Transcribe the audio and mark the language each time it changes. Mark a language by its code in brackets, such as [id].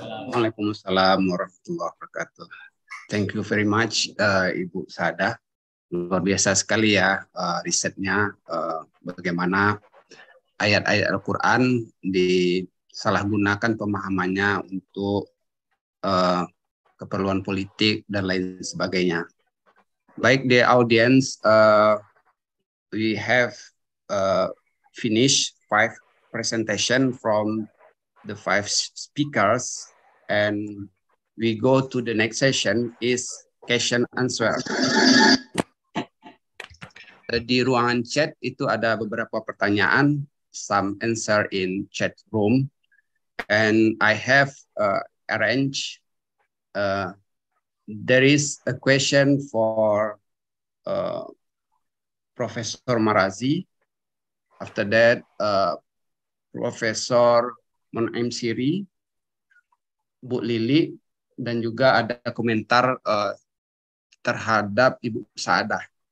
[ar] Waalaikumsalam warahmatullahi wabarakatuh. [en] Thank you very much Ibu Sada. [id] Luar biasa sekali ya risetnya, bagaimana ayat-ayat Al-Quran disalahgunakan pemahamannya untuk keperluan politik dan lain sebagainya. [en] Baik, the audience, we have finished 5 presentation from the 5 speakers, and we go to the next session is question answer. [id] Di ruangan chat itu ada beberapa pertanyaan. [en] some answer in chat room, and I have arranged. There is a question for Professor Marazi. After that, Professor Munaim Siri, Bu Lili, [id] dan juga ada komentar terhadap Ibu Saadah.